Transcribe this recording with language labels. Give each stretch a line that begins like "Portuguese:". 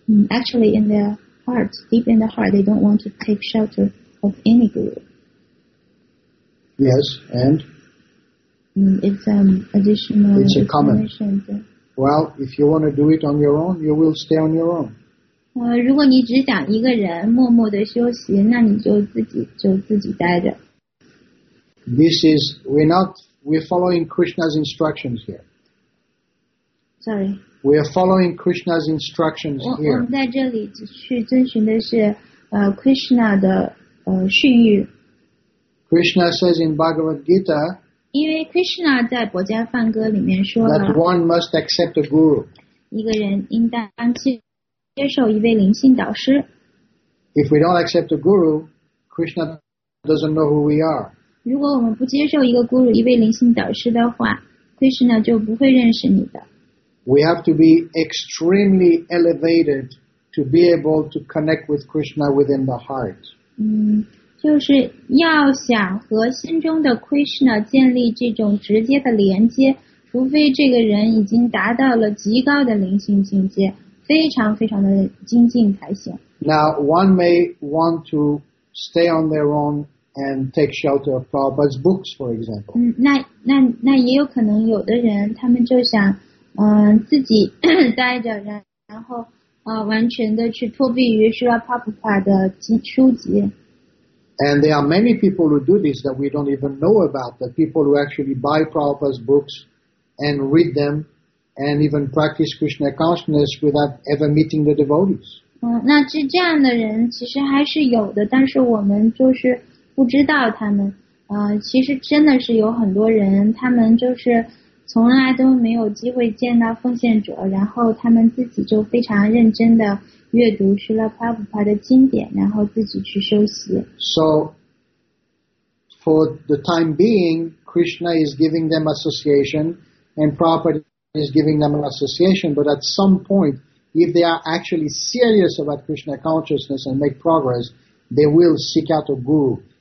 English: Actually, in their heart, deep in the heart, they don't want to take shelter of any guru. Yes, and? It's an additional information. Well, if you want to do it on your own, you will stay on your own.
Chinese: 如果你只想一个人默默的休息，那你就自己待着。
English: This is, we're following Krishna's instructions here. Sorry. We are following Krishna's instructions here.
Chinese: 我们在这里去遵循的是Krishna 的训谕。
English: Krishna says in Bhagavad Gita,
Chinese: 因为 Krishna 在博迦梵歌里面说了
English: that one must accept a guru.
Chinese: 一个人应当接受一位灵性导师。
English: If we don't accept a guru, Krishna doesn't know who we are.
Chinese: 如果我们不接受一个 guru, 一位灵性导师的话， Krishna 就不会认识你的。
English: We have to be extremely elevated to be able to connect with Krishna within the heart.
Chinese: 就是要想和心中的 Krishna 建立这种直接的连接，除非这个人已经达到了极高的灵性境界，非常非常的精进才行。
English: Now, one may want to stay on their own and take shelter of Prabhupada's books, for example.
Chinese: 那也有可能有的人他们就想自己待着，然后完全的去脱壁于 Srila Prabhupada 的书籍。
English: And there are many people who do this that we don't even know about, the people who actually buy Prabhupada's books and read them and even practice Krishna consciousness without ever meeting the devotees.
Chinese: 那这样的人其实还是有的，但是我们就是不知道他们。其实真的是有很多人，他们就是从来都没有机会见到奉献者，然后他们自己就非常认真的阅读去了 Prabhupada 的经典，然后自己去修习。
English: So, for the time being, Krishna is giving them association, and Prabhupada is giving them an association, but at some point, if they are actually serious about Krishna consciousness and make progress, they will seek out a guru.